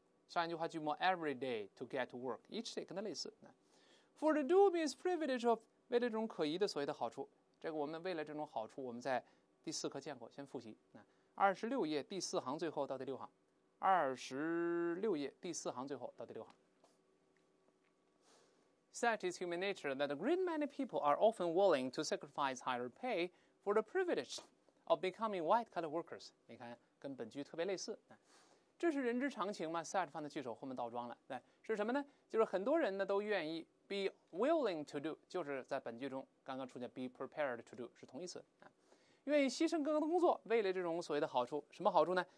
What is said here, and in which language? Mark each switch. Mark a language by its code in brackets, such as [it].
[zh] 上一句话句末 [en] every day to get to work， [zh] each day 跟它类似。 [en] For the dubious privilege of， [zh] 为了这种可疑的所谓的好处，这个我们为了这种好处，我们在第四课见过，先复习。 26页第四行最后到第六行，26页第四行最后到第六行。 [en] Such is human nature that a great many people are often willing to sacrifice higher pay for the privilege of becoming white collar workers。 [zh] 你看跟本句特别类似，这是人之常情嘛 ？Set 放在句首后面倒装了，对，是什么呢？就是很多人呢都愿意 [en] be willing to do， [zh] 就是在本句中刚刚出现 [en] be prepared to do [zh] 是同义词啊，愿意牺牲更多的工作，为了这种所谓的好处。什么好处呢？